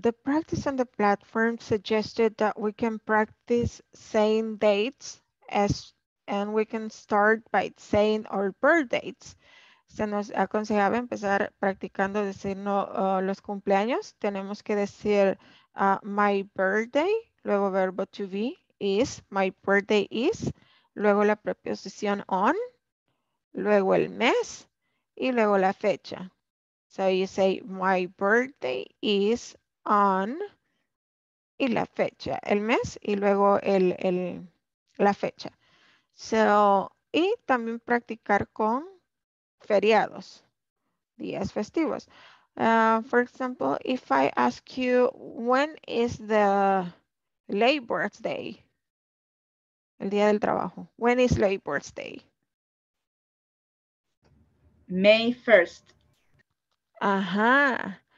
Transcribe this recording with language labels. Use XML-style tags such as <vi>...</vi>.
<en>The practice on the platform suggested that we can practice saying dates as, and we can start by saying our birth dates.</en> <es>Se nos aconsejaba empezar practicando decir no, los cumpleaños. Tenemos que decir</es> <en>my birthday,</en> <es>luego verbo</es> <en>to be, is, my birthday is,</en> <es>luego la preposición on, luego el mes y luego la fecha.</es> <en>So you say, my birthday is on,</en> <es>y la fecha, el mes, y luego la fecha. So, y también practicar con feriados, días festivos.</es> <en>For example, if I ask you, when is the Labor Day?</en> <es>El día del trabajo.</es> <en>When is Labor Day? May 1st. Ajá.</en>